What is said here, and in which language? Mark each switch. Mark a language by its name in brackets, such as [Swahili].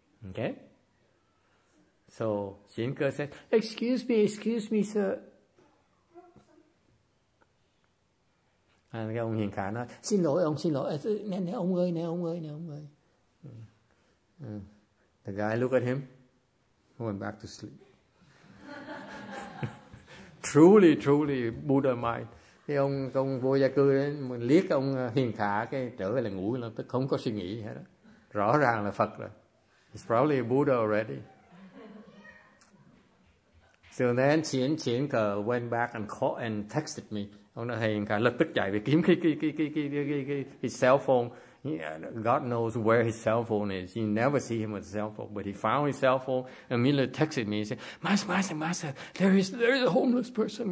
[English] Okay? So Shinkō said, excuse me, sir. [Vietnamese] And cái ông hiền khả nói, xin lỗi, nè ông ơi. [English] The guy looked at him, went back to sleep. Truly, truly Buddha mind. [Vietnamese] Cái ông vô gia cư đấy, mình liếc ông hiền khả cái trở về là ngủ lắm, tức không có suy nghĩ hết đó. Rõ ràng là Phật rồi. [English] He's probably a Buddha already. So then Chien-Chien-Ka went back and called and texted me. [Vietnamese] Ông nói hiền khả lập tức chạy về kiếm cái [English] his cell phone. Yeah, God knows where his cell phone is. You never see him with his cell phone, but he found his cell phone and immediately texted me and said, Master, there is a homeless person.